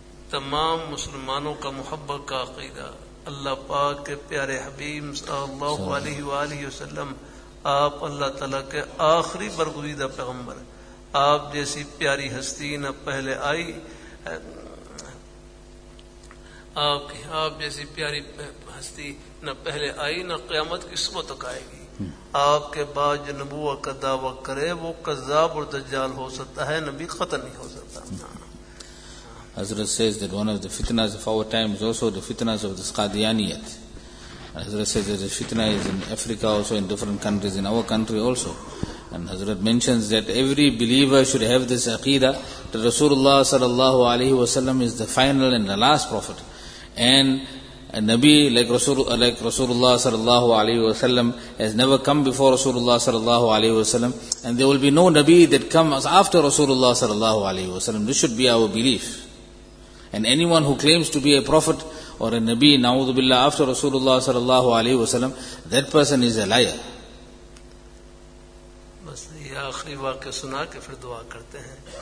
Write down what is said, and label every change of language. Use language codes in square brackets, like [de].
[ur] تمام مسلمانوں کا محبت کا عقیدہ, اللہ پاک کے پیارے حبیب صلی اللہ علیہ وآلہ وسلم, آپ اللہ تعالیٰ کے آخری برگزیدہ پیغمبر, آپ جیسی پیاری ہستی نہ پہلے آئی, نہ قیامت کی صبح تک آئے گی. آپ کے بعد جو نبوت کا دعویٰ کرے وہ کذاب اور دجال ہو سکتا ہے, نبی ختم نہیں ہو سکتا. [en] Hazrat says that one of the fitnas of our time is also the fitnas of this Qadianiyat. Hazrat says that the fitna is in Africa also, in different countries, in our country also. And Hazrat mentions that every believer should have this aqeedah that Rasulullah sallallahu alayhi wa sallam is the final and the last prophet. And a Nabi like Rasulullah sallallahu alayhi wa sallam has never come before Rasulullah sallallahu alayhi wa sallam, and there will be no Nabi that comes after Rasulullah sallallahu alayhi wa sallam. This should be our belief. And anyone who claims to be a prophet or a Nabi, na'udhu billah, after Rasulullah sallallahu alayhi wa sallam, that person is a liar. [ur] بس یہ آخری واقعہ سنا کے پھر دعا کرتے ہیں.